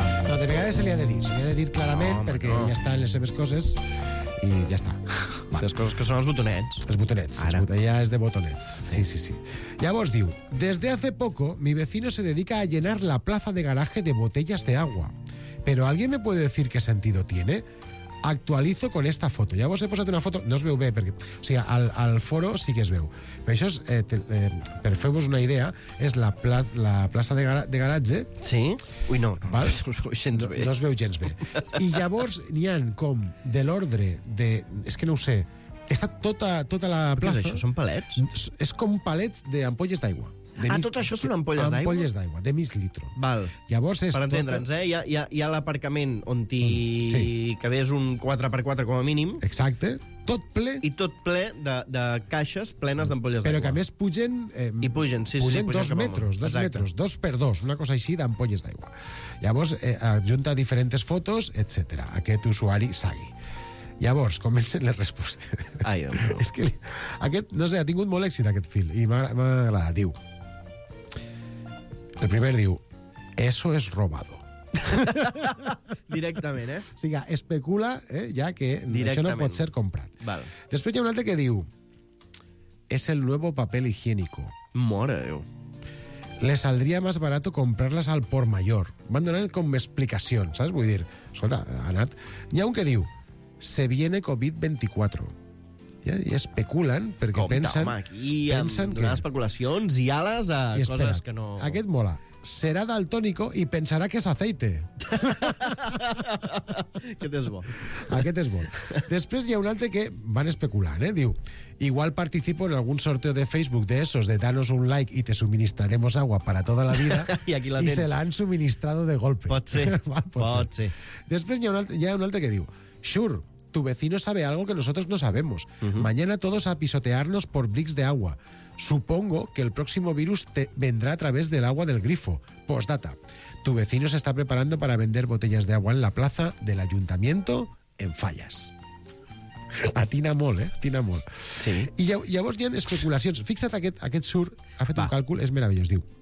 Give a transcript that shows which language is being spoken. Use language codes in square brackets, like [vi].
[ca] No, de vegades se li ha de dir clarament, no, perquè no. Ja està en les seves coses i ja està. Sí, les coses que són els botonets. Els botonets. Ja és de botonets. Sí, sí, sí. Llavors diu, [es] desde hace poco mi vecino se dedica a llenar la plaza de garaje de botellas de agua. Pero ¿alguien me puede decir qué sentido tiene? Actualizo con esta foto. [ca] Llavors he posat una foto, no es veu bé, perquè, o sigui, al foro sí que es veu. Però això és, per fer-vos una idea, és la plaça de garatge. Sí? Ui, no, val? No es veu gens bé. No es veu gens bé. I llavors n'hi ha com de l'ordre de... És que no ho sé. Està tota la plaça... Què és això? Són palets? És com palets d'ampolles d'aigua. Tot això són ampolles d'aigua? Ampolles d'aigua, de mig litro. Val. Llavors és per entendre'ns, tot... hi ha l'aparcament on t'hi sí. Cabés un 4x4 com a mínim. Exacte. Tot ple. I tot ple de caixes plenes d'ampolles però d'aigua. Però que a més pugen... I pugen, sí, pugen sí. Dos metres, 2x2, una cosa així d'ampolles d'aigua. Llavors adjunta diferents fotos, etc. Aquest usuari segueix. Llavors, comencen les respostes. Ai, doncs. És que aquest, no sé, ha tingut molt èxit aquest fil i m'ha agradat. Diu, el primer diu, [es] eso es robado. [ca] Directament, eh? O sigui, especula ja que això no pot ser comprat. Val. Després hi ha un altre que diu, [es] es el nuevo papel higiénico. [ca] Mora, Déu. [es] Le saldría más barato comprarlas al por mayor. [ca] Van donant com explicacions, saps? Vull dir, escolta, ha anat... Hi ha un que diu, [es] se viene COVID-24. [ca] Ja, i especulen, perquè compte, pensen... Compte, aquí pensen hem donat especulacions i ales a i espera, coses que no... Aquest mola. Serà daltònico i pensarà que és aceite. Aquest és bo. Aquest és bo. Després hi ha un altre que van especulant, eh? [es] Diu, igual participo en algun sorteo de Facebook de esos de danos un like y te suministraremos agua para toda la vida. [ca] I aquí la tens. I se l'han [es] suministrado de golpe. [ca] Pot ser. Va, pot ser. Després hi ha un altre que diu... [es] Sure, tu vecino sabe algo que nosotros no sabemos. Uh-huh. Mañana todos a pisotearnos por bricks de agua. Supongo que el próximo virus te vendrá a través del agua del grifo. Postdata. Tu vecino se está preparando para vender botellas de agua en la plaza del ayuntamiento en Fallas. [ca] Atina molt, eh? Atina molt. Sí. I llavors hi ha especulacions. Fixa't, aquest sur ha fet un càlcul, és meravellós. Diu,